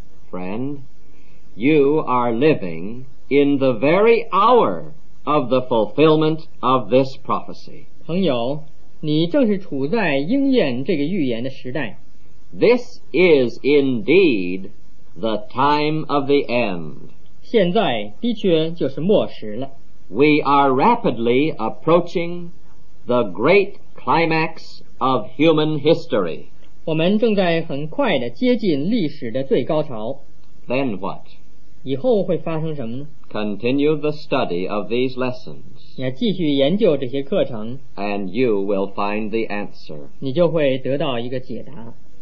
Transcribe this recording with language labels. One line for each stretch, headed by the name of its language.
English: Friend, you are living in the very hour of the fulfillment of this prophecy
Chinese: 朋友你正是处在应验这个预言的时代
English: This is indeed the time of the end
Chinese: 现在的确就是末时了
English: We are rapidly approaching the great climax of human history
Chinese: 我们正在很快地接近历史的最高潮
English: Then what?
Chinese: 以后会发生什么呢
English: Continue the study of these lessons
Chinese: 要继续研究这些课程
English: And you will find the answer
Chinese: 你就会得到一个解答